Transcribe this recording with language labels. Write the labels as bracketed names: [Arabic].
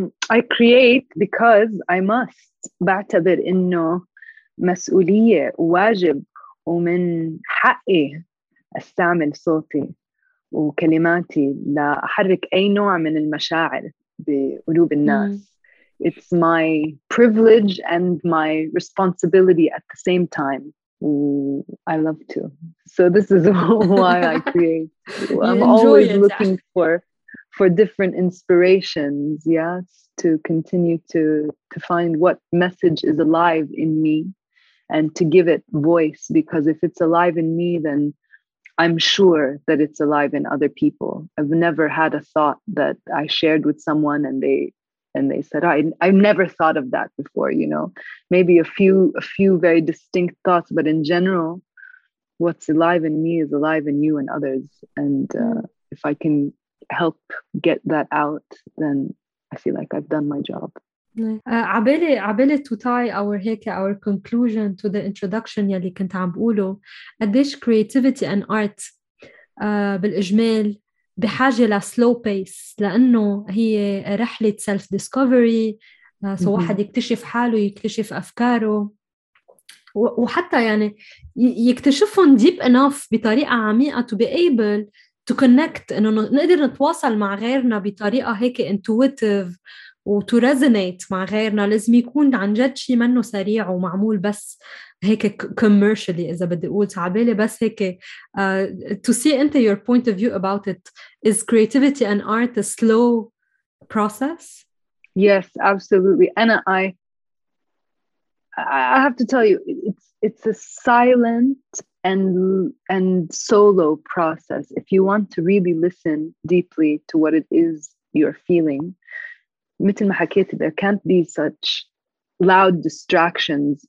[English] I create because I must. [Arabic] بعتبر إنه مسؤولية وواجب ومن حقي أستعمل صوتي وكلماتي لأحرك أي نوع من المشاعر بقلوب الناس. [English] It's my privilege and my responsibility at the same time. I love to. So this is why I create. I'm always looking for different inspirations, yes, to continue to find what message is alive in me and to give it voice, because if it's alive in me, then I'm sure that it's alive in other people. I've never had a thought that I shared with someone and they said, I've never thought of that before, you know. Maybe a few very distinct thoughts, but in general, what's alive in me is alive in you and others. And if I can help get that out, then I feel like I've done my job. عبالي to tie our conclusion to the introduction يلي كنت عم بقوله, قديش creativity and art [Arabic] بالإجمال بحاجة ل slow pace, لأنه هي رحلة self discovery, سو واحد يكتشف حاله, يكتشف أفكاره, وحتى يعني يكتشفهم deep enough بطريقة عميقة to be able to connect, إنه نقدر نتواصل مع غيرنا بطريقة هيك intuitive و to resonate مع غيرنا. لازم يكون عن جد شيء منه سريع ومعمول بس هيك commercially, إذا بدي أقول تعبالي بس هيك to see أنت your point of view about it. [English] Is creativity and art a slow process? Yes, absolutely. And I have to tell you, it's a silent and solo process. If you want to really listen deeply to what it is you're feeling, مثل ما حكيت, there can't be such loud distractions.